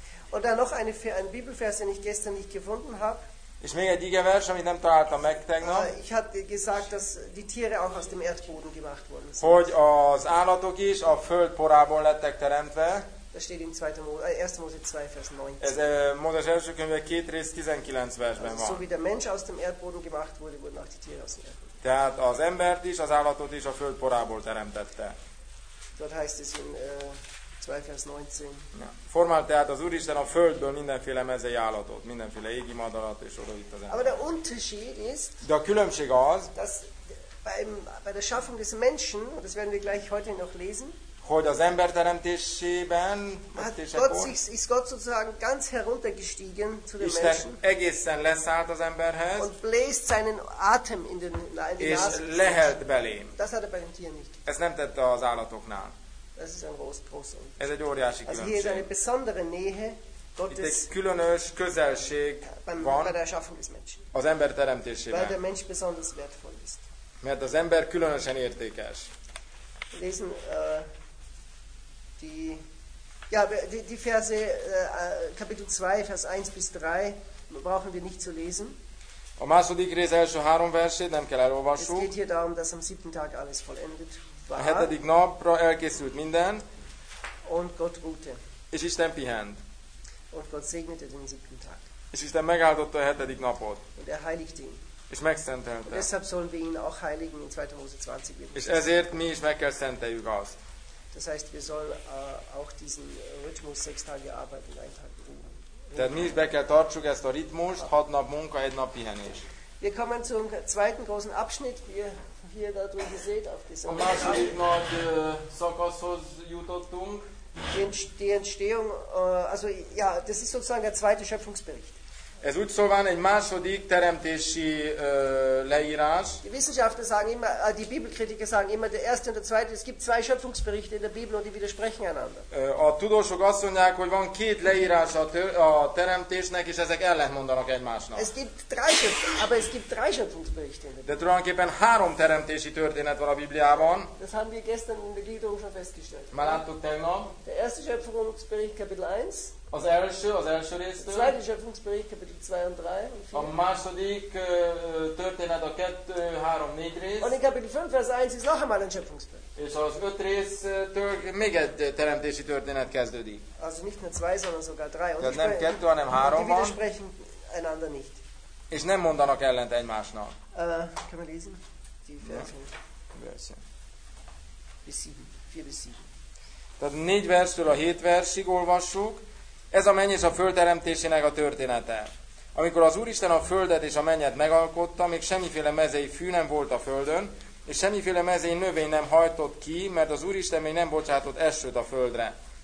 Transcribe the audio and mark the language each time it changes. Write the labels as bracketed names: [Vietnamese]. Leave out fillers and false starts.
[German] Und dann noch ein Bibelvers, den ich gestern nicht gefunden habe. [Hungarian] És még egy igevers, amit nem találtam meg tegnap. [German] Ich hatte gesagt, dass die Tiere auch aus dem Erdboden gemacht wurden. [Hungarian] Hogy az állatok is a föld porából lettek teremtve. [German] Das steht in 1. Mose 2, Vers 9. [Hungarian] Ez Mózes első könyve 2 rész 19 versben van. [German] So wie der Mensch aus dem Erdboden gemacht wurde, wurden auch die Tiere aus dem Erdboden. [Hungarian] Tehát az embert is, az állatot is a föld porából teremtette. [German] Dort heißt es in 2 Vers 19. [Hungarian] Formál tehát az Úristen a földből mindenféle mezei állatot, mindenféle égi madarat és oda itt az ember. [German] Aber der Unterschied ist, [Hungarian] de a különbség az, [German] dass bei der Schaffung des Menschen, und das werden wir gleich heute noch lesen, [Hungarian] hogy az ember teremtésében, [German] ist Gott sozusagen ganz heruntergestiegen zu den [Hungarian] Isten [German] Menschen. [Hungarian] Isten egészen leszállt az emberhez. [German] Und bläst seinen Atem in den Nasen. [Hungarian] És lehelt belém. [German] Das hat er bei den Tieren nicht. [Hungarian] Ez nem tette az állatoknál. [German] Das ist ein groß. [Hungarian] Ez egy óriási különbség. [German] Also hier ist eine besondere Nähe Gottes. [Hungarian] Itt egy különös közelség van [German] bei der Erschaffung des Menschen. [Hungarian] Az ember teremtésében. [German] Weil der Mensch besonders wertvoll ist. [Hungarian] Mert az ember különösen értékes. [German] Lesen die Verse Kapitel 2 Vers 1 bis 3 brauchen wir nicht zu lesen. [Hungarian] A második rész első három versét nem kell elolvasni. [German] Es geht hier darum, dass am siebten Tag alles vollendet. [Hungarian] A hetedik napra elkészült minden. [German] Und Gott ruhte. [Hungarian] És Isten pihent. [German] Und Gott segnete den siebten Tag. [Hungarian] És Isten megáldotta a hetedik napot. [German] Und er heiligte ihn. [Hungarian] És megszentelte. [German] Und deshalb sollen wir ihn auch heiligen in 2. Mose 20. [Hungarian] És ezért mi is meg kell szenteljük azt. [German] Das heißt, wir sollen auch diesen Rhythmus 6 Tage arbeiten, 1 Tag ruhen. [Hungarian] Tehát mi is be kell tartsuk ezt a ritmust, 6 nap munka, 1 nap pihenés. [German] Wir kommen zum zweiten großen Abschnitt. Wir hier da drüben seht auf diesem Abschnitt nach Sakasos jutottunk. Die Entstehung, also ja, das ist sozusagen der zweite Schöpfungsbericht. [Hungarian] Ez úgy szóval egy második teremtési leírás. [German] Die Wissenschaftler sagen immer, die Bibelkritiker sagen immer, der erste und der zweite, es gibt zwei Schöpfungsberichte in der Bibel und die widersprechen einander. [Hungarian] A tudósok azt mondják, hogy van két leírás a teremtésnek, és ezek ellentmondanak egymásnak. [German] Es gibt drei Schöpfungsberichte, aber es gibt drei Schöpfungsberichte in der Bibel. [Hungarian] De tulajdonképpen három teremtési történet van a Bibliában. [German] Das haben wir gestern in der Gliederung schon festgestellt. [Hungarian] Már láttuk tegnap. [German] Der erste Schöpfungsbericht, Kapitel 1. [Hungarian] Az első résztől. [German] Zweite Schöpfungsbericht, Kapitel 2 und 3. Und [Hungarian] 4. A második történet a 2, 3, 4 rész. [German] Und in Kapitel 5, Vers 1 ist noch einmal ein Schöpfungsbericht. [Hungarian] És az öt résztől még egy teremtési történet kezdődik. [German] Also nicht nur 2, sondern sogar 3. [Hungarian] Tehát nem 2, hanem 3 van. [German] Die widersprechen einander nicht. [Hungarian] És nem mondanak ellent egymásnak. [German] Kann man lesen? Die Verse. Bis 7. 4 bis 7. [Hungarian] Tehát 4 verstől a 7 versig olvassuk. Ez a menny és a föld teremtésének a története. Amikor az Úristen a földet és a mennyet megalkotta, még semmiféle mezei fű nem volt a földön, és semmiféle mezei növény nem hajtott ki, mert az Úristen még nem bocsátott esőt a földre.